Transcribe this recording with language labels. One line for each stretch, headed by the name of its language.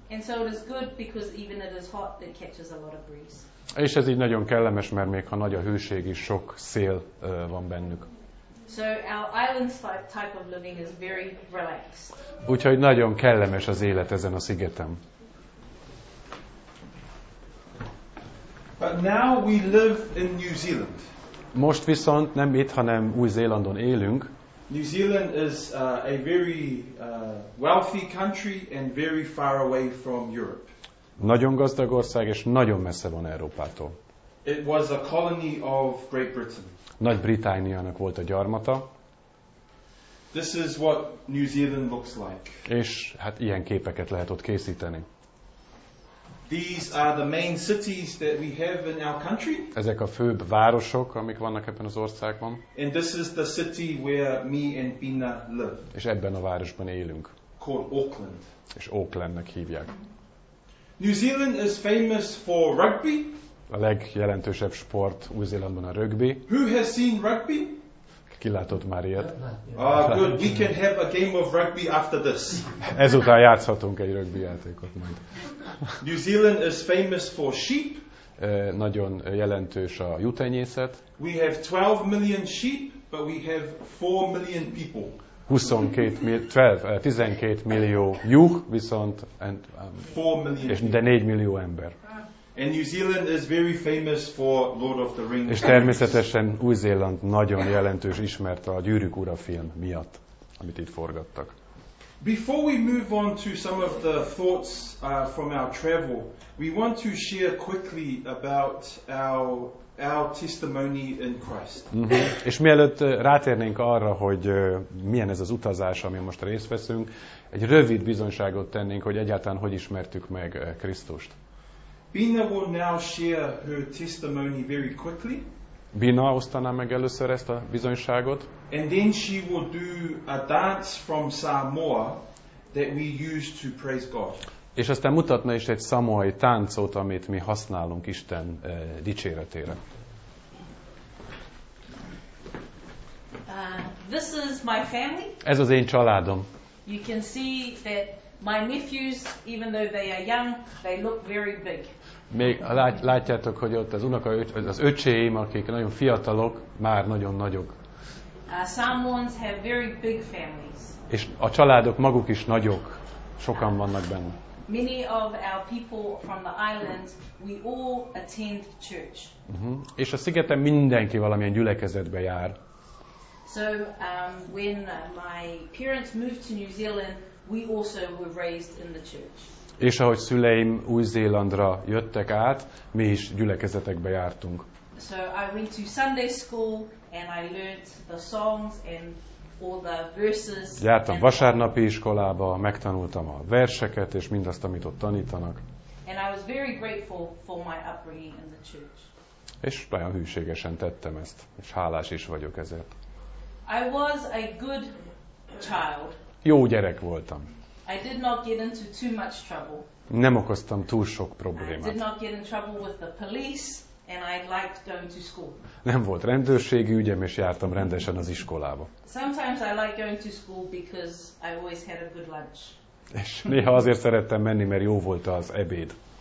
English: And so it is good because even it is hot, it catches a lot of breeze.
Hungarian: És ez így nagyon kellemes, mert még ha nagy a hőség is, sok szél van bennük.
English: So our island type of living is very relaxed.
Hungarian: Úgyhogy nagyon kellemes az élet ezen a szigeten.
English: But now we live in New Zealand.
Hungarian: Most viszont nem itt, hanem Új-Zélandon élünk.
English: New Zealand is a very wealthy country and very far away from Europe.
Hungarian: Nagyon gazdag ország és nagyon messze van Európától.
English: It was a colony of Great Britain.
Hungarian: Nagy-Britániának volt a gyarmata.
English: This is what New Zealand looks like.
Hungarian: És hát ilyen képeket lehet ott készíteni.
English: These are the main cities that we have in our country.
Hungarian: Ezek a főbb városok, amik vannak ebben az országban.
English: And this is the city where me and Bina live.
Hungarian: És ebben a városban élünk.
English: Called Auckland.
Hungarian: És Aucklandnek hívják.
English: New Zealand is famous for rugby.
Hungarian: a legjelentősebb sport Új-Zélandban a rugby.
English: Who has seen rugby?
Hungarian: Ki látott már ilyet?
English: Good, we can have a game of rugby after this.
Hungarian: Ezután játszhatunk egy rugby játékot majd.
English: New Zealand is famous for sheep.
Hungarian: Nagyon jelentős a juhtenyészet.
English: We have 12 million sheep, but we have 4 million people.
Hungarian: 12 millió juh, viszont
English: and 4 million
Hungarian: és de 4 millió ember.
English: And New Zealand is very famous for Lord of the Rings.
Hungarian: És természetesen Új-Zéland nagyon jelentős ismert a Gyűrűk ura film miatt, amit itt forgattak.
English: Before we move on to some of the thoughts from our travel, we want to share quickly about our testimony in Christ.
Hungarian: És mielőtt rátérnénk arra, hogy milyen ez az utazás, amin most részt veszünk, egy rövid bizonyságot tennénk, hogy egyáltalán hogy ismertük meg Krisztust.
English: Bina will now share her testimony very quickly.
Hungarian: Bina osztaná meg először ezt a bizonyságot.
English: And then she will do a dance from Samoa that we use to praise God.
Hungarian: És aztán mutatna is egy szamoai táncot, amit mi használunk Isten dicséretére.
English: This is my family.
Hungarian: Ez az én családom.
English: You can see that my nephews, even though they are young, they look very big.
Hungarian: Még látjátok, hogy ott az unoka, az öcséim, akik nagyon fiatalok, már nagyon nagyok.
English: Samoans have very big families.
Hungarian: És a családok maguk is nagyok, sokan vannak benne.
English: Many of our people from the island, we all attend church.
Hungarian: És a szigeten mindenki valamilyen gyülekezetbe jár.
English: So when my parents moved to New Zealand, we also were raised in the church.
Hungarian: És ahogy szüleim Új-Zélandra jöttek át, mi is gyülekezetekbe jártunk.
English: So I went to Sunday school and I learned the songs and all the verses.
Hungarian: Jártam vasárnapi iskolába, megtanultam a verseket és mindazt, amit ott tanítanak.
English: And I was very grateful for my upbringing in the church.
Hungarian: És nagyon hűségesen tettem ezt, és hálás is vagyok ezért.
English: I was a good child.
Hungarian: Jó gyerek voltam.
English: I did not get into too much trouble.
Hungarian: Nem okoztam túl sok problémát.
English: I did not get in trouble with the police and I liked going to school.
Hungarian: Nem volt rendőrségi ügyem és jártam rendesen az iskolába.
English: Sometimes I like going to school because I always had a good lunch.
Hungarian: És néha azért szerettem menni, mert jó volt az ebéd.